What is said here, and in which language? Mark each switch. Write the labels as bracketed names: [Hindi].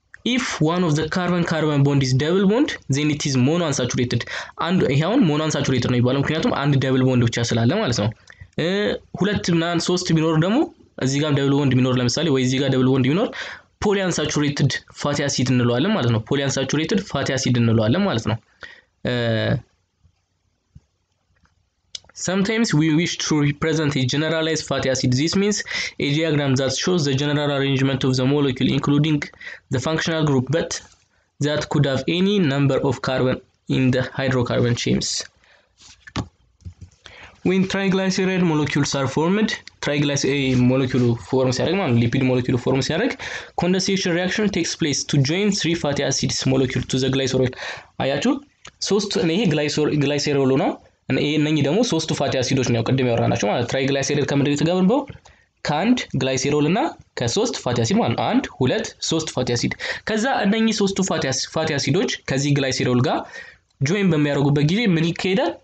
[English] ኢፍ ዋን ኦፍ ዘ ካርበን ካርበን ቦንድ ኢዝ ደብል ቦንድ ዜን ኢት ኢዝ ሞኖ አንሳቹሬትድ። [Amharic] አንዱ ይሄ አሁን ሞኖ አንሳቹሬትድ ነው ይባላል፣ ምክንያቱም አንድ ደብል ቦንድ ብቻ ስላለ ማለት ነው። ሁለት ምናምን ሶስት ቢኖር ደግሞ እዚህ ጋር ደብል ቦንድ ቢኖር ለምሳሌ፣ ወይ እዚህ ጋር ደብል ቦንድ ቢኖር ፖሊ አንሳቹሬትድ ፋቲ አሲድ እንለዋለን ማለት ነው። ፖሊ አንሳቹሬትድ ፋቲ አሲድ እንለዋለን ማለት ነው። [English] Sometimes we wish to represent a generalized fatty acid. This means a diagram that shows the general arrangement of the molecule, including the functional group, but that could have any number of carbon in the hydrocarbon chains. When triglyceride molecules are formed, lipid molecule forms, condensation reaction takes place to join three fatty acids molecule to the glycerol. Ayatu, glycerol no? [Amharic] እነኚህ ደግሞ ሶስቱ ፋቲ አሲዶች ነው ቅድም ያወራናቸው ማለት ትራይ ግላይሴሪድ ከምድር የተገነባው ከአንድ ግላይሴሮል እና ከሶስት ፋቲ አሲድ ማለት ነው። አንድ ሁለት ሶስት ፋቲ አሲድ። ከዛ እነኚህ ሶስቱ ፋቲ አሲዶች ከዚህ ግላይሴሮል ጋር ጆይን በሚያደርጉበት ጊዜ ምን ይካሄዳል?